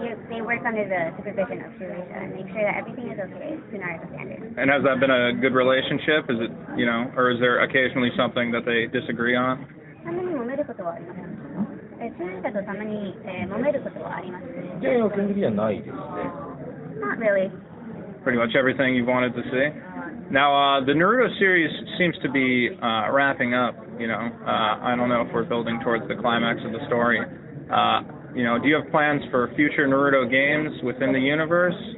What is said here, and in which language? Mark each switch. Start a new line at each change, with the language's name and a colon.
English: They work under the supervision of Shueisha and make sure that everything is okay to Naruto standards. And has that been a good relationship? Is it, you know, or is there occasionally something that they disagree on?
Japanese: たまに揉めることはありません。出演者とたまに、揉めることはありますね。いやいや、基本的にはないですね。
English: Not really. Pretty much everything you've wanted to see. Now, the Naruto series seems to be wrapping up, you know. I don't know if we're building towards the climax of the story. You know, do you have plans for future Naruto games within the universe?